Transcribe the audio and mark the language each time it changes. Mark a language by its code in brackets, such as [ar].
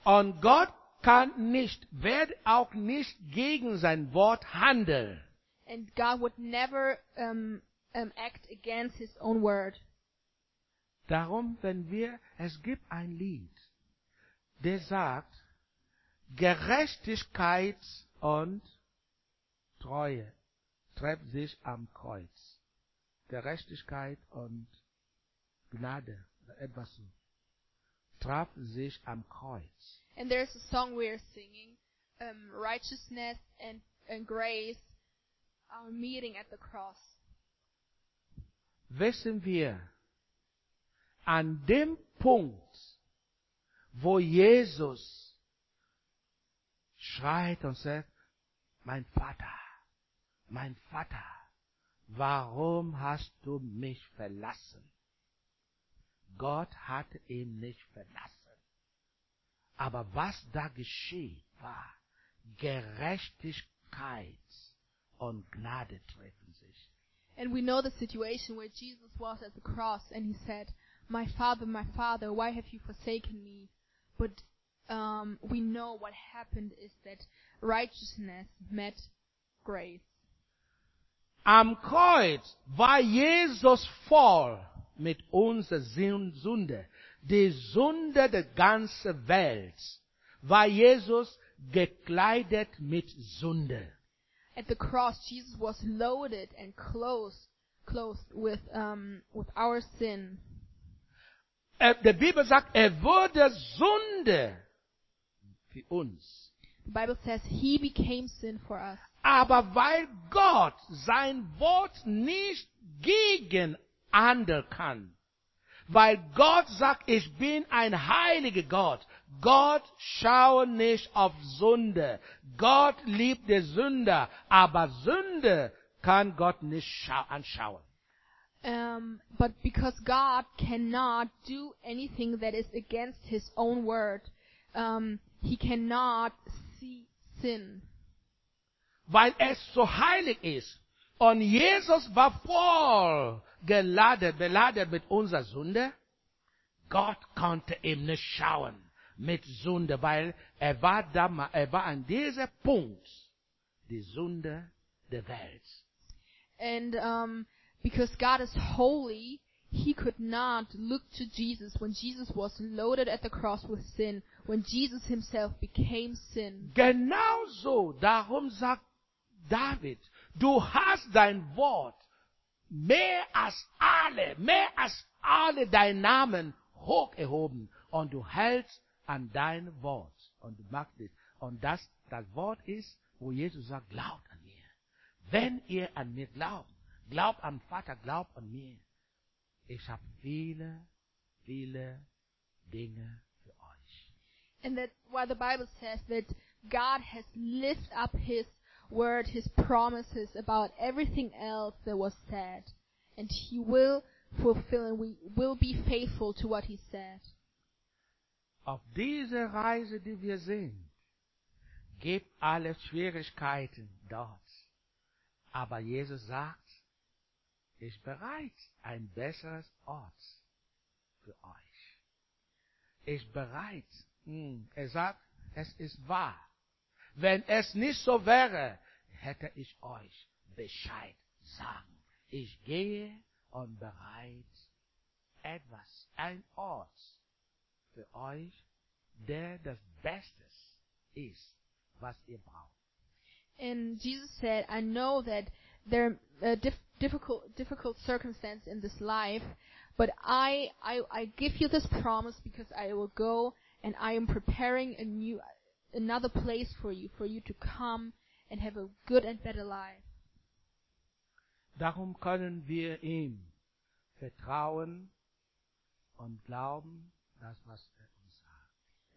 [de] Und Gott kann nicht, wird auch nicht gegen sein Wort handeln. [en] And God would never act against his own word. [de] Darum, wenn wir, es gibt ein Lied, der sagt, Gerechtigkeit und Treue treffen sich am Kreuz. Gerechtigkeit und Gnade, etwas so, treffen sich am Kreuz. [en] And there's a song we are singing, Righteousness and Grace are meeting at the cross. [de] Wissen wir, an dem Punkt, wo Jesus schreit und sagt, mein Vater, warum hast du mich verlassen? Gott hat ihn nicht verlassen. Aber was da geschieht, war Gerechtigkeit und Gnade treffen sich. [en] And we know the situation where Jesus was at the cross and he said, my Father, why have you forsaken me? But we know what happened is that righteousness met grace. [de] Am Kreuz war Jesus voll mit unserer Sünde. Die Sünde der ganzen Welt war Jesus gekleidet mit Sünde. [en] At the cross, Jesus was loaded and clothed with our sin. [de] Die Bibel sagt, wurde Sünde für uns. [en] The Bible says, he became sin for us. [de] Aber weil Gott sein Wort nicht gegen andere kann, weil Gott sagt, ich bin ein heiliger Gott, Gott schaue nicht auf Sünde. Gott liebt den Sünder, aber Sünde kann Gott nicht anschauen. [en] But because God cannot do anything that is against his own word, he cannot see sin. [de] Weil es so heilig ist. Und Jesus war voll beladen mit unserer Sünde. Gott konnte ihm nicht schauen mit Sünde, weil er war an diesem Punkt die Sünde der Welt. [en] And, because God is holy, he could not look to Jesus when Jesus was loaded at the cross with sin, when Jesus himself became sin. [de] Genau so, darum sagt David, du hast dein Wort mehr als alle deinen Namen hoch erhoben und du hältst an dein Wort und du machst es. Und das Wort ist, wo Jesus sagt, glaubt an mir. Wenn ihr an mir glaubt, glaub an Vater, glaub an mir. Ich habe viele, viele Dinge für euch. [en] And that why the Bible says that God has lifted up his word, his promises about everything else that was said. And he will fulfill and we will be faithful to what he said. [de] Auf diese Reise, die wir sind, gibt alle Schwierigkeiten dort. Aber Jesus sagt, ist bereit ein besseres Ort für euch. Ist bereit. Er sagt, es ist wahr. Wenn es nicht so wäre, hätte ich euch Bescheid sagen. Ich gehe und bereite etwas, ein Ort für euch, der das Beste ist, was ihr braucht. [en] And Jesus said, I know that there are difficult circumstances in this life, but I give you this promise because I will go and I am preparing another place for you to come and have a good and better life. [de] Darum können wir ihm vertrauen und glauben, das was er uns sagt.